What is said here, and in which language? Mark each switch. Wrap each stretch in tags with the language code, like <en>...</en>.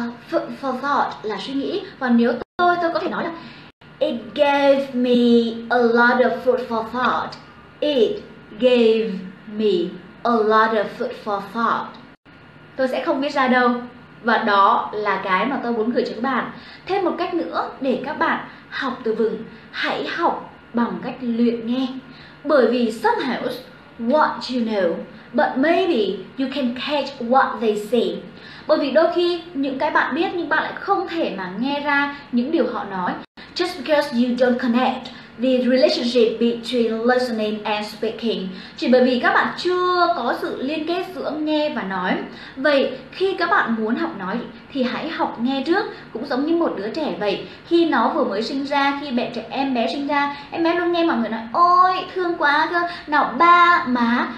<en>For thought</en> <vi>là suy nghĩ. Và nếu tôi có thể nói là</vi> <en>it gave me a lot of food for thought. It gave me a lot of food for thought.</en> <vi>Tôi sẽ không viết ra đâu. Và đó là cái mà tôi muốn gửi cho các bạn. Thêm một cách nữa để các bạn học từ vựng, hãy học bằng cách luyện nghe. Bởi vì</vi> <en>somehow what you know, but maybe you can catch what they say.</en> <vi>Bởi vì đôi khi những cái bạn biết nhưng bạn lại không thể mà nghe ra những điều họ nói.</vi> <en>Just because you don't connect the relationship between listening and speaking.</en> <vi>Chỉ bởi vì các bạn chưa có sự liên kết giữa nghe và nói. Vậy khi các bạn muốn học nói thì hãy học nghe trước. Cũng giống như một đứa trẻ vậy. Khi nó vừa mới sinh ra, khi em bé sinh ra, em bé luôn nghe mọi người nói ôi thương quá cơ, nào ba má.</vi>